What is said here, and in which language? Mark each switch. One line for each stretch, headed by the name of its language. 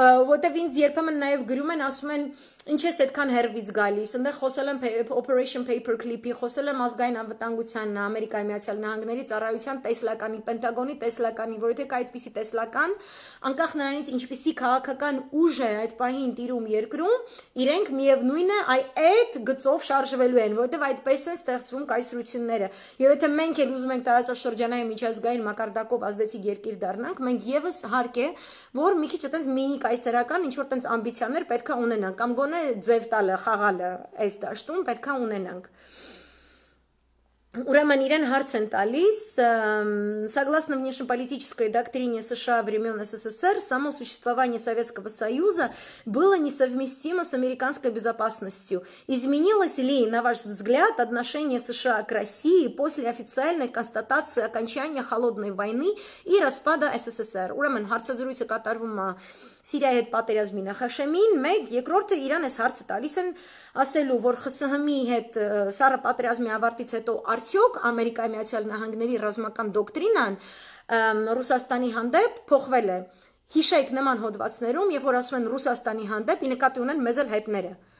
Armenian: որտեվ ինձ երբեմն նաև գրում են, ասում են, ինչ ես այդքան հեռվից գալիս, այնտեղ խոսել եմ Operation Paperclip-ի, խոսել եմ ազգային անվտանգության, Ամերիկայի Միացյալ Նահանգների ծառայության տեսլականի, Պենտագոնի տեսլականի, որովհետև այդպիսի տեսլական, անկախ նրանից ինչպիսի քաղաքական ուժ է այդ պահին տիրում երկրում, իրենք միևնույնն է այդ գծով շարժվելու են, որովհետև այդպես են ստեղծվում կայսրությունները։ Եվ եթե մենք էլ ուզում ենք տարածաշրջանային միջազգային մակարդակով ազդեցիկ երկիր դառնանք, մենք եւս հարկ է, որ մի քիչ այդպես մինի կայսրական ինչ-որ այդպես ամբիցիաներ պետք է ունենանք, կամ գոնե ձև տալը, խաղալը այս դաշտում պետք է ունենանք։ Ուրեմն իրեն հարց են տալիս.
Russian: Согласно внешнеполитической доктрине США времён СССР, само существование Советского Союза было несовместимо с американской безопасностью. Изменилось ли, на ваш взгляд, отношение США к России после официальной констатации окончания холодной войны и распада СССР?
Armenian: Ուրեմն հարցազրույցը կատարվում է Սիրիայի հետ պատերազմի նախաշեմին, մեկ, երկրորդը իրան էս հարցը տալիս են, ասելու, որ ԽՍՀՄ-ի հետ Սառը Պատրիազմի ավարտից հետո արդյոք Ամերիկայի Միացյալ Նահանգների ռազմական դոկտրինան Ռուսաստանի հանդեպ փոխվել է։ Հիշեք նման հոդվածներում, երբ որ ասում են Ռուսաստանի հանդեպ, ի նկատի ունեն մեզ էլ հետները,